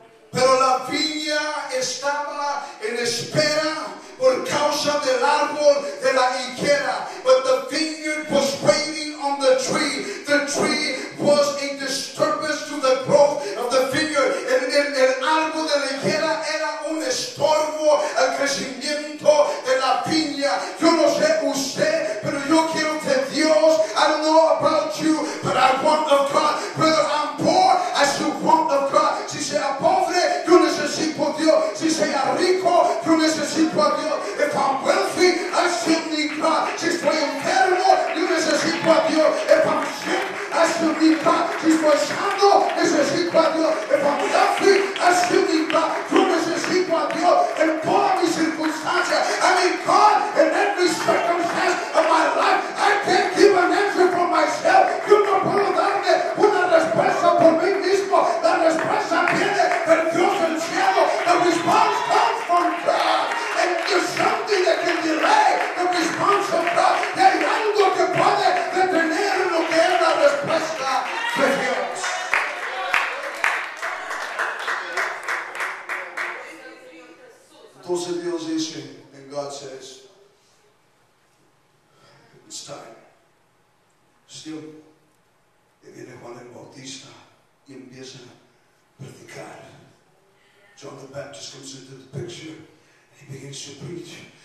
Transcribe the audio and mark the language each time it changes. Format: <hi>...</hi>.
<es>Pero la viña estaba en espera por causa del árbol de la higuera.</es> <en>But the vineyard was waiting on the tree. The tree was a disturbance to the growth of the vineyard.</en> <es>El árbol de la higuera era un estorbo al crecimiento de la viña. Yo no sé usted, pero yo quiero que Dios,</es> <en>I don't know about you, but I want of God. Whether I'm poor, I still want of God.</en> <es>Si sea pobre, yo necesito a Dios. Si sea rico, yo necesito a Dios.</es> <en>If I'm wealthy, I still need God.</en> <es>Si estoy enfermo, yo necesito a Dios.</es> <en>If I'm sick, I still need God.</en> <es>Si estoy sano, necesito a Dios.</es> <en>If I'm healthy, I still need God.</en> <es>Yo necesito a Dios en todas mis circunstancias.</es> <en>I need God in every circumstance of my life. I can't give an answer for myself.</en> <es>Yo no puedo darle una respuesta por mí mismo. La respuesta viene del Dios del cielo.</es> <en>The response comes from God. And there's something that can delay the response of God.</en> <es>Y hay algo que puede detener lo que es la respuesta de Dios. Entonces Dios dice,</es> <en>and God says, it's time. Still,</en> <es>y viene Juan el Bautista y empieza a predicar.</es> <en>John the Baptist comes into the picture and he begins to preach.</en>